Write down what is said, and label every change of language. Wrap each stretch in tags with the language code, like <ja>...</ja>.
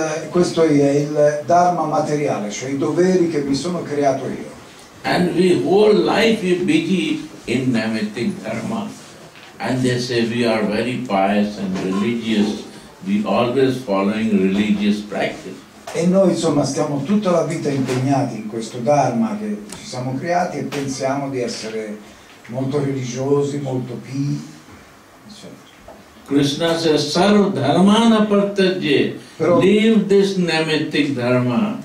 <it>Questo è il dharma materiale, cioè i doveri che mi sono creato io.</it> <en>And we whole life is busy in naimittika dharma. And they say we are very pious and religious. We always following religious practice.</en> <it>E noi insomma stiamo tutta la vita impegnati in questo dharma che ci siamo creati e pensiamo di essere molto religiosi, molto pii.</it> <en>Krishna says,</en> <sa>sarva dharmana partaje,</sa> <en>leave this nemetic dharma.</en>